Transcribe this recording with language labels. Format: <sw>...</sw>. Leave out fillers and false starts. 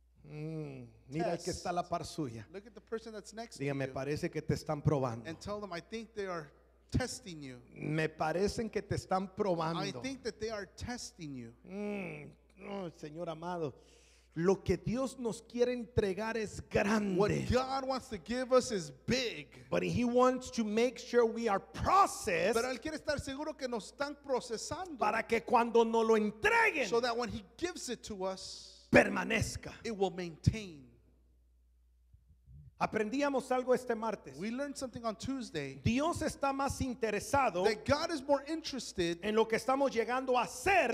<es>Mira el que está a la par suya.</es> <en>Look at the person that's next to you.</en> <es>Dígame, me parece que te están probando.</es> <en>And tell them, I think they are testing you.</en> <es>Me parecen que te están probando.</es> <en>I think that they are testing you.</en> <es>Oh, Señor amado, lo que Dios nos quiere entregar es grande.</es> <en>What God wants to give us is big. But he wants to make sure we are processed.</en> <es>Pero él quiere estar seguro que nos están procesando. Para que cuando nos lo entreguen,</es> <en>so that when he gives it to us,</en> <es>permanezca.</es> <en>It will maintain.</en> <es>Aprendíamos algo este martes.</es> <en>We learned something on Tuesday.</en> <es>Dios está más interesado,</es> <en>that God is more interested,</en> <es>en lo que estamos llegando a ser,</es>